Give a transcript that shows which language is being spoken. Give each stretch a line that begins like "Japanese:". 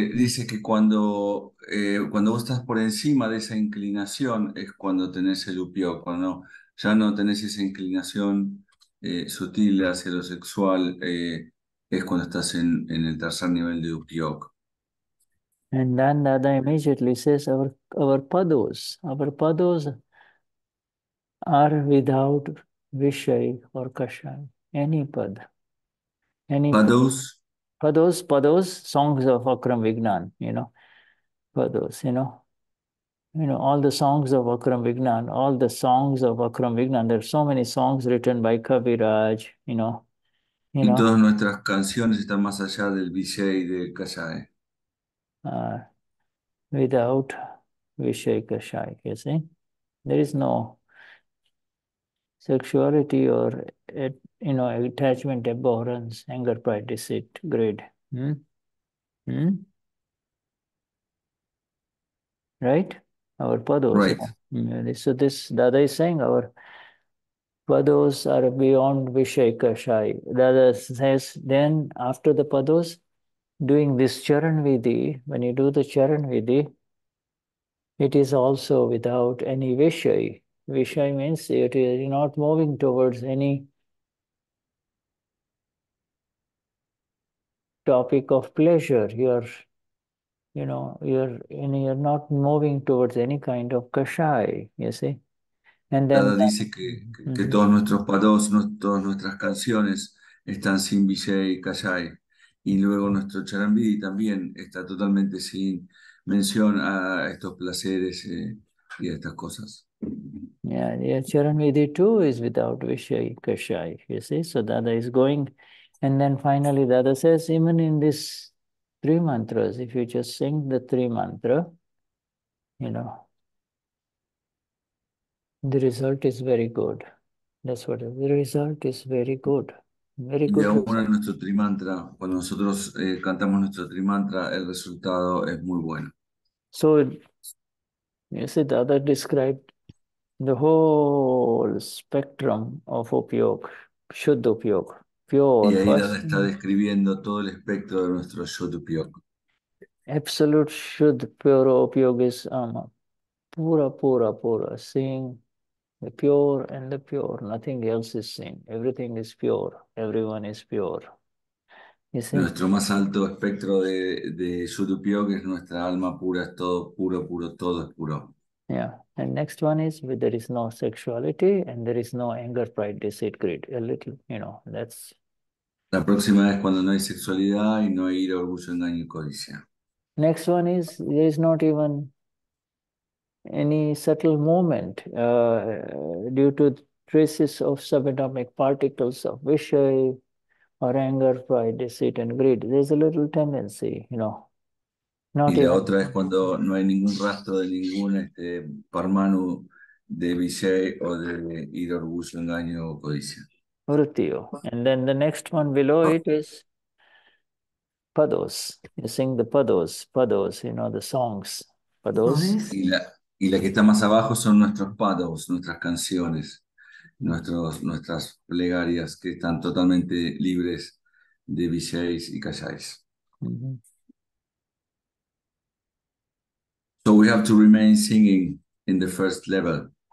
Spanish: Dice que cuando vos estás por encima de esa inclinación es cuando tenés el upio, cuando ya no tenés esa inclinación sutil hacia lo sexual, es cuando estás en el tercer nivel de upio.
English: And then Dada immediately says, our pados are without Vishay or Kashan, any pad, Pados. pados, songs of Akram Vignan, pados, all the songs of Akram Vignan, all the songs of Akram Vignan. There are so many songs written by Kaviraj,
Spanish: Y todas nuestras canciones están más allá del Vishay de Kashae.
English: without Vishay Kashay, you see, there is no sexuality or attachment, abhorrence, anger, pride, deceit, greed. Right? Our pados, Right. So this Dada is saying our pados are beyond Vishay Kashay. Dada says then after the pados, doing this charan vidhi, when you do the charan vidhi, it is also without any vishay. Vishay means it is not moving towards any topic of pleasure. You're not moving towards any kind of kashay, you see. And then
Spanish: Dada dice que todos nuestros pados, todas nuestras canciones están sin vishay, kashay. Y luego nuestro charambidi también está totalmente sin mención a estos placeres y a estas cosas.
English: Yeah, charambidi too is without vishay, kashay, you see. So Dada is going. And then finally Dada says, even in this three mantras, if you just sing the three mantra, you know, the result is very good. That's what the result is very good. Very good.
Spanish: Y aún en nuestro trimantra, cuando nosotros cantamos nuestro trimantra, el resultado es muy bueno.
English: So, you see, Dada described the whole spectrum of upayog, shuddha upayog, pure.
Spanish: Y ahí Dada está describiendo todo el espectro de nuestro shuddha upayog.
English: Absolute shuddha pure upayog is ama,
Spanish: pura pura pura,
English: sing. The pure and the pure, nothing else is seen. Everything is pure. Everyone is pure. You see?
Spanish: Nuestro más alto espectro de Sudupyog es nuestra alma pura, es todo puro, puro, todo es puro.
English: Yeah. And next one is there is no sexuality and there is no anger, pride, deceit, greed. A little, you know, that's.
Spanish: La próxima es cuando no hay sexualidad y no hay ira, orgullo, engaño y codicia.
English: Next one is there is not even any subtle movement due to traces of subatomic particles of vishay or anger, pride, deceit, and greed. There's a little tendency, you know. Not
Spanish: y la
English: even.
Spanish: Otra es cuando no hay ningún rastro de ningún parmanu de vishay o de ira, orgullo, engaño o codicia.
English: Vrutiyo. And then the next one below it is pados. You sing the pados, pados, you know, the songs. Pados.
Spanish: Y la que está más abajo son nuestros pados, nuestras canciones, nuestras plegarias que están totalmente libres de vishays y kashays.
English: So we have to remain singing in the first level.